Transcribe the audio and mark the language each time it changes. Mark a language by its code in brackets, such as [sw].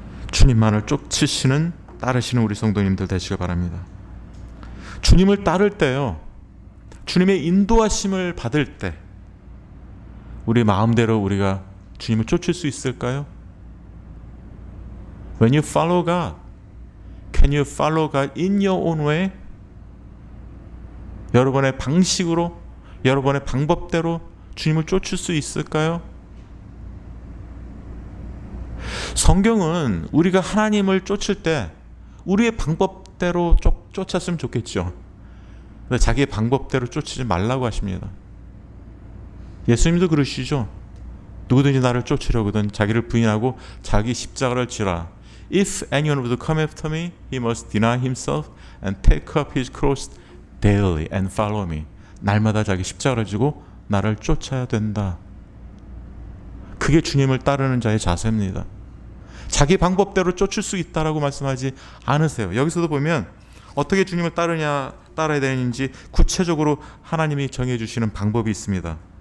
[ko] 주님만을 쫓으시는, 따르시는 우리 성도님들 되시길 바랍니다. 주님을 따를 때요, 주님의 인도하심을 받을 때 우리 마음대로 우리가 주님을 쫓을 수 있을까요? [en] When you follow God, can you follow God in your own way? [ko] 여러분의 방식으로, 여러분의 방법대로 주님을 쫓을 수 있을까요? 성경은 우리가 하나님을 쫓을 때 우리의 방법대로 쫓았으면 좋겠죠. 근데 자기의 방법대로 쫓지 말라고 하십니다. 예수님도 그러시죠. 누구든지 나를 쫓으려거든 자기를 부인하고 자기 십자가를 지라. [en] If anyone would come after me, he must deny himself and take up his cross daily and follow me. [ko] 날마다 자기 십자가를 지고 나를 쫓아야 된다. 그게 주님을 따르는 자의 자세입니다. 자기 방법대로 쫓을 수 있다라고 말씀하지 않으세요. 여기서도 보면 어떻게 주님을 따르냐, 따라야 되는지 구체적으로 하나님이 정해주시는 방법이 있습니다.